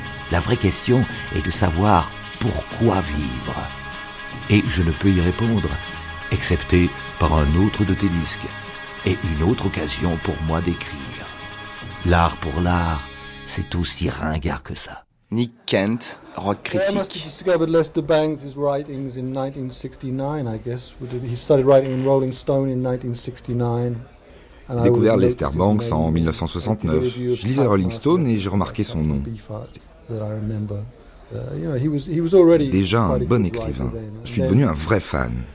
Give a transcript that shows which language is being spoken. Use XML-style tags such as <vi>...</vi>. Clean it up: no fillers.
<fr>La vraie question est de savoir pourquoi vivre. Et je ne peux y répondre, excepté par un autre de tes disques et une autre occasion pour moi d'écrire. L'art pour l'art, c'est aussi ringard que ça.</fr> <en>Nick Kent, rock critique. Yeah, he discovered Lester Bangs' writings in 1969, I guess. He started writing in Rolling Stone in 1969.</en> <fr>J'ai découvert Lester Banks en 1969. Je lisais Rolling Stone et j'ai remarqué son nom. Déjà un bon écrivain. Je suis devenu un vrai fan.</fr>